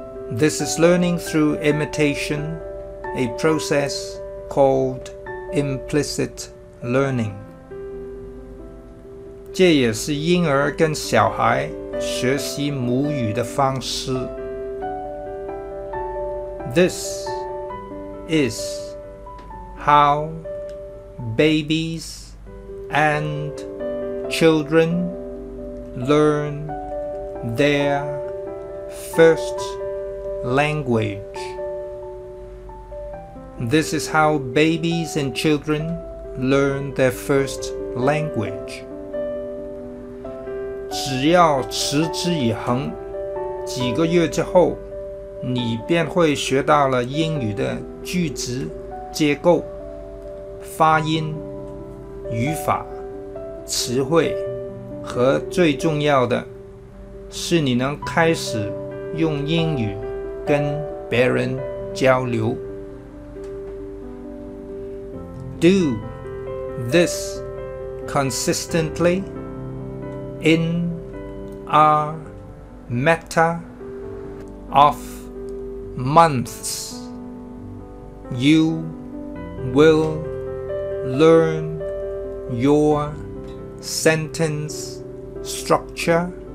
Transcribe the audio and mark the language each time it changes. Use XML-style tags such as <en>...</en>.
<en>This is learning through imitation, a process called implicit learning.</en> <zh>这也是婴儿跟小孩学习母语的方式。</zh> <en>This is how babies and children learn their first language. This is how babies and children learn their first language.</en> <zh>只要持之以恒，几个月之后，你便会学到了英语的句子、结构、发音、语法、词汇，和最重要的是你能开始用英语跟别人交流。</zh> <en>Do this consistently in a matter of months, you will learn your sentence structure,</en>